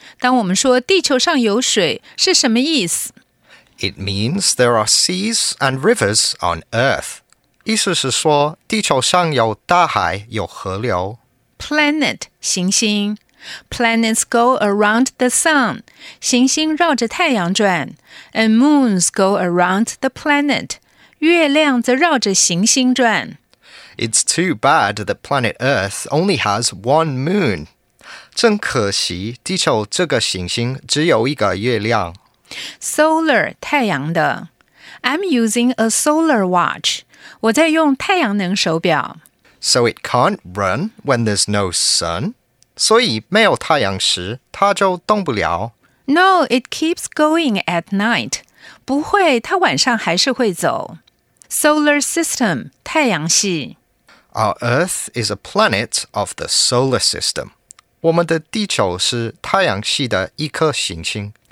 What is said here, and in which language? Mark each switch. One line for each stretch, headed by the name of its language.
Chinese: 当我们说地球上有水是什么意思？
English: It means there are seas and rivers on Earth.
Chinese: 意思是说地球上有大海有河流。
English: Planet, 行星。Planets go around the sun,
Chinese: 行星绕着太阳转。
English: And moons go around the planet,
Chinese: 月亮则绕着行星转。
English: It's too bad that planet Earth only has one moon.
Chinese: 真可惜地球这个行星只有一个月亮。
English: Solar, 太阳的。I'm using a solar watch.
Chinese: 我在用太阳能手表。
English: So it can't run when there's no sun.
Chinese: 所以没有太阳时它就动不了。
English: No, it keeps going at night.
Chinese: 不会，它晚上还是会走。
English: Solar system, 太阳系。 Our Earth is a planet of the solar system.
Chinese: 我们的地球是太阳系的一颗行星。